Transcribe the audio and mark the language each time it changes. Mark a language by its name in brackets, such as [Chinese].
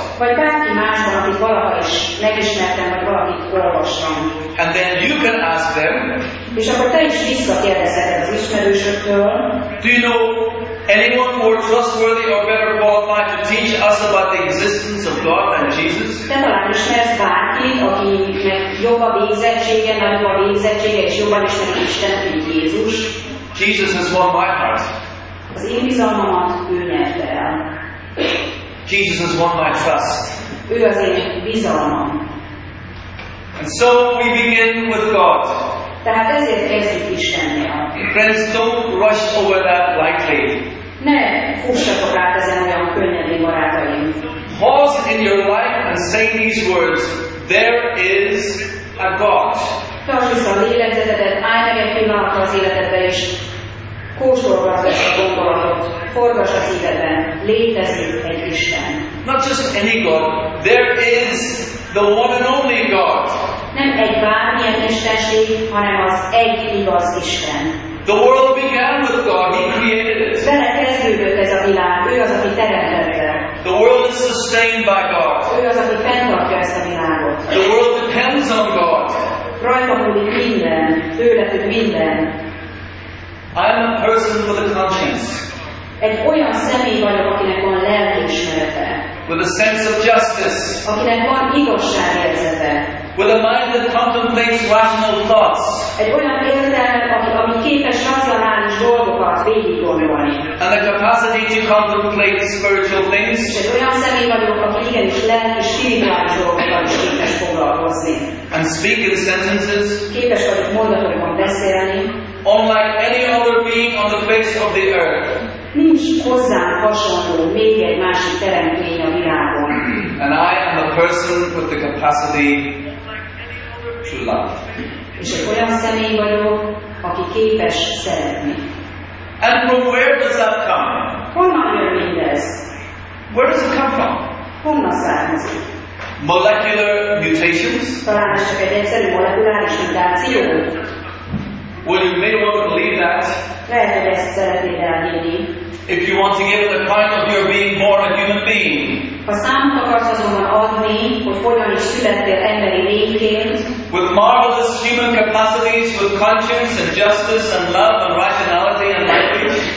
[Hungarian] vagy bárki másban, akit valaha is megismertem, vagy valakit olvastam. [English] And then you can ask them, [Hungarian] és akkor te is visszakérdezed az ismerősöktől, [English] do you know anyone more trustworthy or better qualified to teach us about the existence of God than Jesus? [Hungarian] Te talán ismersz bárkit, akinek jobb a végzettsége, nagyobb a végzettsége, és jobban ismeri Istent, mint Jézus. [English] Jesus has won my heart. [Hungarian] Az én bizalmamat ő nyerte el. [English] Jesus has won my trust. [Hungarian] Ő az én bizalmam. [English] And so we begin with God. [Hungarian] Tehát ezért kezdjük Istennél. [English] Friends, don't rush over that lightly. [Hungarian] Ne fussatok át ezen olyan könnyedén, barátaim. [English] Pause in your life and say these words. There is a God. [Hungarian] Tartsd vissza az életedet, állj meg egy pillanatra az életedbe és kóstolgassd ezt a gondolatot. Forgass a szívedben. Létezik egy Isten. [English] Not just any God. There is the one and only God. [Hungarian] Nem egy bármilyen istenség, hanem az egy igaz Isten. [English] The world began with God, He created it. [Hungarian] Vele kezdődött ez a világ, ő az, aki teremtette. [English] The world is sustained by God. [Hungarian] Ő az, aki fenntartja ezt a világot. [English] The world depends on God. [Hungarian] Rajta múlik minden, tőletük minden. [English] I am a person with a conscience. [Hungarian] Egy olyan személy vagyok, akinek van lelkiismerete. [English] With a sense of justice. [Hungarian] Akinek van igazságérzete. [English] With a mind that contemplates rational thoughts. [Hungarian] Egy olyan értelmet, ami képes racionális dolgokat végiggondolni. [English] And the capacity to contemplate spiritual things. [Hungarian] Egy olyan személy vagyok, aki igenis lelki spirituális dolgokat is képes foglalkozni. [English] And speak in sentences. [Hungarian] Képes vagyok mondatokban beszélni. [English] Unlike any other being on the face of the earth. [Hungarian] Nincs hozzám hasonló még egy másik teremtmény a világon. [English] And I am a person with the capacity to love. [Hungarian] És egy olyan személy vagyok, aki képes szeretni. [English] And from where does that come? [Hungarian] Honnan jön mindez? [English] Where does it come from? [Hungarian] Honnan származik? [English] Molecular mutations? [Hungarian] Talán is csak egy egyszerű molekuláris mutáció. [English] Well, you may want to believe that. [Hungarian] Lehet, hogy ezt szeretnéd elhinni. [English] If you want to give it a kind of your being born a human being. [Hungarian] Ha számot akarsz azonban adni, hogy hogyan is születtél emberi lényként. [English] With marvelous human capacities, with conscience and justice and love and rationality and language.